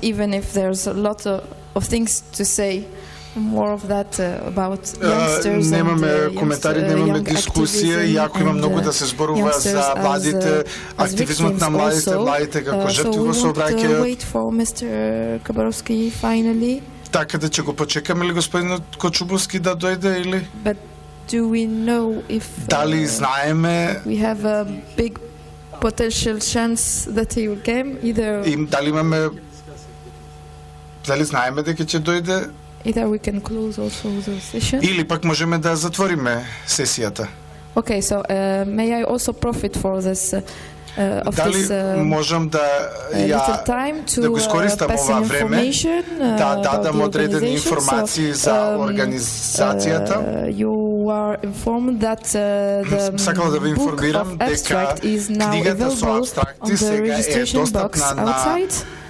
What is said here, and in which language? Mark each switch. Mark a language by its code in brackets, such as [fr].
[en] Even if there's a lot of things to say. More of that about youngsters. [mk] Немаме коментари, немаме дискусија, иако има многу да се зборува за младите, активизмот на младите, младите како жртви во сообраќајќа. Така да ќе го почекаме ли господинот Кочубовски да дојде или? [en] But do we know if [mk] дали знаеме? [en] We have a big potential chance that he will come either. [mk] Дали знаеме дека ќе дојде? [en] Either we can close also the session. [mk] Или пак можеме да затвориме сесијата. [en] Okay, so may I also profit for this of [mk] дали [en] this [mk] можам да ја [en] time to [mk] да го искористам ова време да дадам одредени информации за организацијата. You are informed that the сакам да ви информирам дека книгата со абстракти сега е достапна на outside.